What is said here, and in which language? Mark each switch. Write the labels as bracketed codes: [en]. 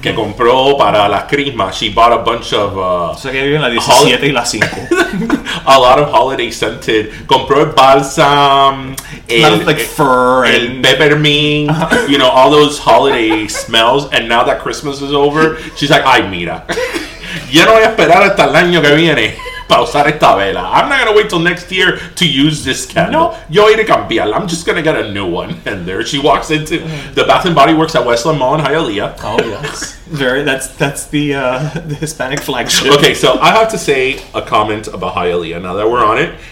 [es] que compró para la crisma. [en] She bought a bunch of... [es] So que vive en la 17 y la 5. [en] A lot of holiday scented. [es] Compró el balsam. [en] Fur. El peppermint. You know, all those holiday smells. And now that Christmas is over, she's like, [es] ay, mira. Yo no voy a esperar hasta el año que viene para usar esta vela. [en] I'm not going to wait till next year to use this candle. [es] No. Yo iré a cambiarla. [en] I'm just going to get a new one. And there she walks into the Bath & Body Works at Westland Mall in Hialeah. Oh, yes. That's the Hispanic flagship. Okay, so I have to say a comment about Hialeah now that we're on it.